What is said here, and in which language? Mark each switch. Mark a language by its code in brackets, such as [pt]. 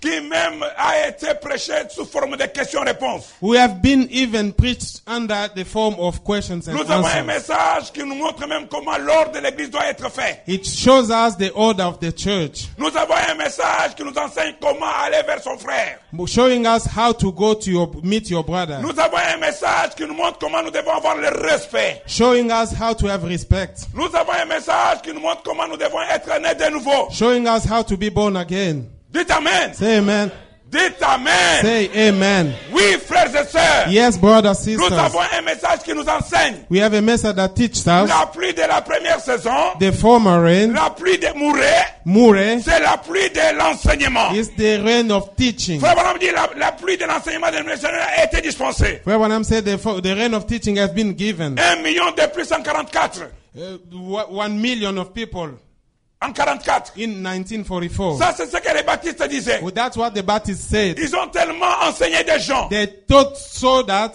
[fr] Qui même a été prêché sous forme de questions-réponses. [en] We have been even preached under the form of questions and [fr] nous [en] answers. [fr] Nous avons un message qui nous montre même comment l'ordre de l'église doit être fait. [en] It shows us the order of the church. [fr] Nous avons un message qui nous enseigne comment aller vers son frère. [en] Showing us how to go to meet your brother. [fr] Nous avons un message qui nous montre comment nous devons avoir le respect. [en] Showing us how to have respect. [fr] Nous avons un message qui nous montre comment nous devons être nés de nouveau. [en] Showing us how to be born again. [fr] Dites amen. [en] Say amen. [fr] Dites amen. [en] Say amen. [fr] Oui, frères et sœurs. [en] Yes, brothers, sisters. [fr] Nous avons un message qui nous enseigne. [en] We have a message that teaches us. [fr] La pluie de la première saison. [en] The former rain. [fr] La pluie de Mouret. [en] Mouret. [fr] C'est la pluie de l'enseignement. [en] It's the rain of teaching. [fr] Frère Branham dit la pluie de l'enseignement de l'enseignement a été dispensée. [en] Frère Branham said the rain of teaching has been given. [fr] 1 million de plus en 44. [en] 1 million of people. [fr] En 44. [en] In 1944. [fr] Ça, c'est ce que les baptistes disaient. [en] Well, that's what the Baptists said. [fr] Ils ont tellement enseigné des gens. [en] They taught so that.